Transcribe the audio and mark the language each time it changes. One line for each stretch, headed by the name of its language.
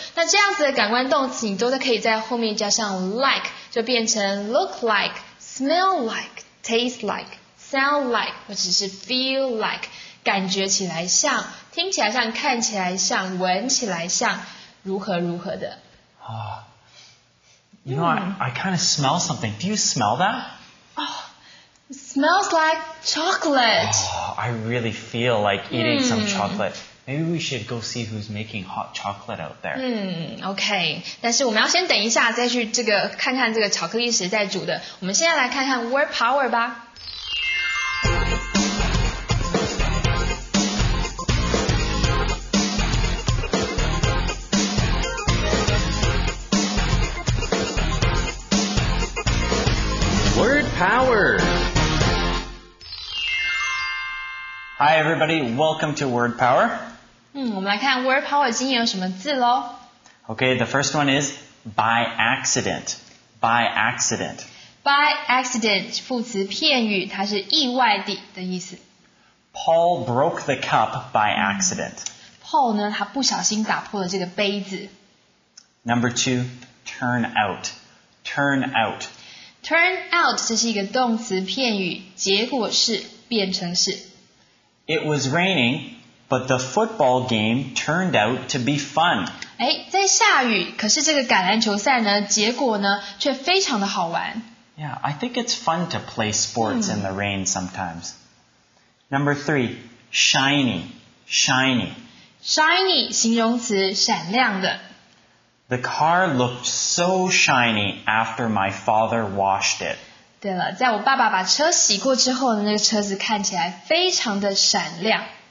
Chinese: 那这样子的感官动词你都可以在后面加上 like, 就变成
English: look like, smell like, taste like, sound like,
Chinese: 或者是
English: feel like,
Chinese: 感觉起来像,听起来像,看起来像,闻起来像,如何如何的。
English: You know, I kind of smell something. Do you smell that? Smells like chocolate. Oh, I really feel like eating some chocolate. Maybe we should go see who's making hot chocolate out there. Okay.
Chinese: 但是我们要先等一下再去这个看看这个巧克力谁在煮的。我们现在来看看 word power 吧。
English: Word power. Hi everybody, welcome to Word Power.
Chinese: 我们来看 Word Power 今天有什么字咯。
English: Okay, the first one is by accident. By accident.
Chinese: By accident, 副词片语它是意外地的意思。
English: Paul broke the cup by accident.
Chinese: Paul 呢他不小心打破了这个杯子。
English: Number two, turn out. Turn out.
Chinese: Turn out, 这是一个动词片语结果是变成是。
English: It was raining, but the football game turned out to be fun.
Chinese: 哎，在下雨，可是这个橄榄球赛呢，结果呢，却非常的好玩。
English: Yeah, I think it's fun to play sports in the rain sometimes. Number three, shiny, shiny.
Chinese: Shiny, 形容词，闪亮的。
English: The car looked so shiny after my father washed it.
Chinese: 对了，在我爸爸把车洗过之后呢，那个车子看起来非常的闪亮。